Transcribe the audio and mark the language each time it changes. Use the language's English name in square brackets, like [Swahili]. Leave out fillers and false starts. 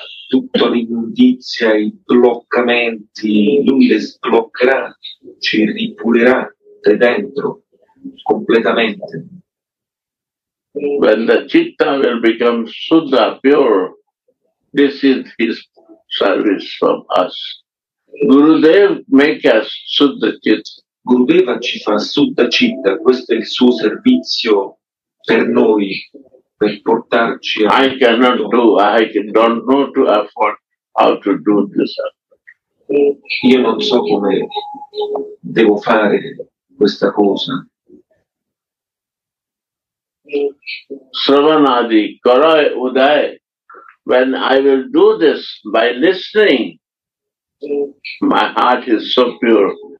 [Italian] Tutta l'immondizia, i bloccamenti, lui le sbloccherà, ci ripulirà da dentro completamente. [English] When the citta will become Suddha, pure, this is his service from us. Gurudev make us Suddha citta. [Italian] Gurudeva ci fa Suddha Chitta, questo è il suo servizio per noi, per portarci a. [English] I cannot do, I don't know to afford how to do this. [Italian] Io non so come devo fare questa cosa. [Bangla] Sravanadi, Karai Udai, [English] when I will do this by listening, my heart is so pure.